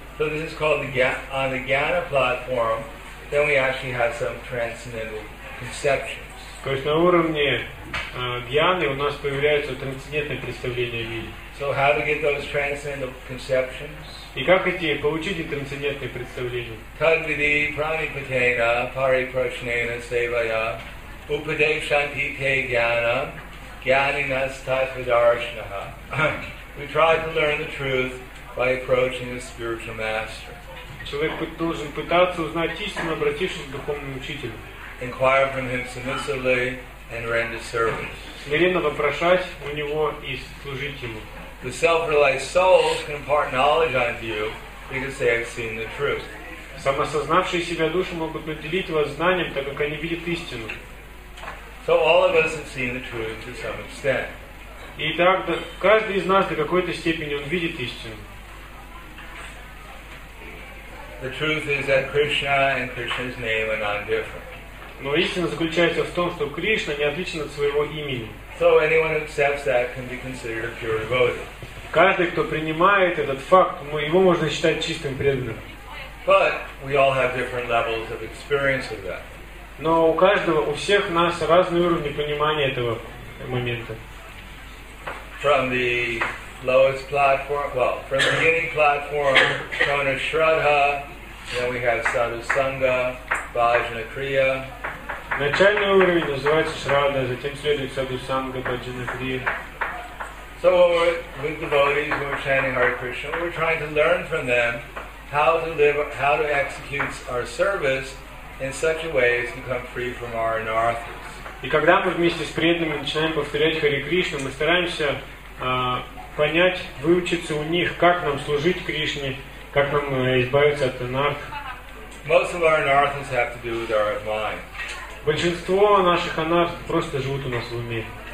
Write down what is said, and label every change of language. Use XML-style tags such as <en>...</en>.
<en>So this is called on the Jnana platform, then we actually have some transcendental conceptions.</en> <ru>То есть на уровне Jnana у нас появляется трансцендентное представление о мире.</ru> <en>So how to get those transcendental conceptions?</en> <ru>И как эти получить трансцендентные представления?</ru> <sa>Тадвиди праниппатена парипрашнена севая упадешанти те Jnana Jnaninас татвадаршнаха.</sa> <en>We try to learn the truth by approaching a spiritual master.</en> <ru>Человек должен пытаться узнать истину, обратившись к духовному учителю.</ru> <en>Inquire from him submissively and render service.</en> <ru>Смиренно вопрошать у него и служить ему.</ru> <en>The self-realized souls can impart knowledge unto you because they have seen the truth.</en> <ru>Самосознавшие себя души могут наделить вас знанием, так как они видят истину.</ru> <en>So all of us have seen the truth to some extent.</en> <ru>И так, каждый из нас до какой-то степени он видит истину.</ru> <en>The truth is that Krishna and Krishna's name are not different.</en> <ru>Но истина заключается в том, что Кришна не отличен от своего имени.</ru> <en>So anyone who accepts that can be considered a pure devotee.</en> <ru>Каждый, кто принимает этот факт, его можно считать чистым преданным.</ru> <en>But we all have different levels of experience of that.</en> <ru>Но у каждого, у всех нас разные уровни понимания этого момента.</ru> <en>From the lowest platform, well, from the beginning platform, Shona Shraddha, then we have Sadhu Sangha, Bhajana Kriya.</en> <ru>Начальный уровень называется Shraddha, затем следует Sadhu Sangha, Bhajana Kriya.</ru> <en>So with devotees who are chanting Hare Krishna, we're trying to learn from them how to live, how to execute our service in such a way as to become free from our anarthas.</en> <ru>И когда мы вместе с преданными начинаем повторять Хари Кришну, мы стараемся понять, выучиться у них, как нам служить Кришне, как нам избавиться от анарх.</ru> <en>Most of our anarthas have to do with our mind.</en> <ru>Большинство наших анарх просто живут у нас в уме.</ru>